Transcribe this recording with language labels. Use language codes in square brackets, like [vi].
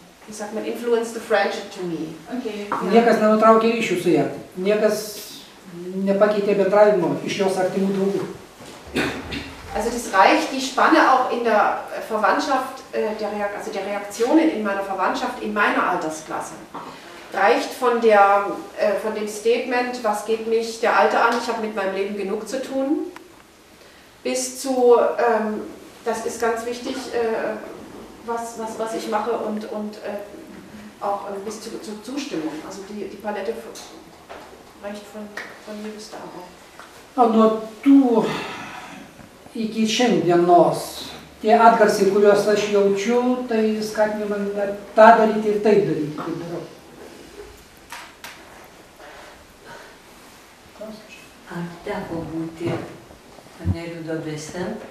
[lt] Niekas nenutraukė ryšių su ją. Niekas nepakeitė bendravimo iš jos artimų draugų. [de] Also das reicht die Spanne auch in der Verwandtschaft, also der Reaktionen in meiner Verwandtschaft, in meiner Altersklasse. Reicht von dem Statement, was geht mich der Alte an, ich habe mit meinem Leben genug zu tun, bis zu, das ist ganz wichtig, was ich mache und auch bis zur Zustimmung, also die Palette reicht von mir bis da auch. [lt] Nuo tų iki šiandienos, tie atgarsiai, kuriuos aš jaučiu, tai skatina man dar tą daryti ir taip daryti, kaip darau. Ar teko būti panelių duobėse?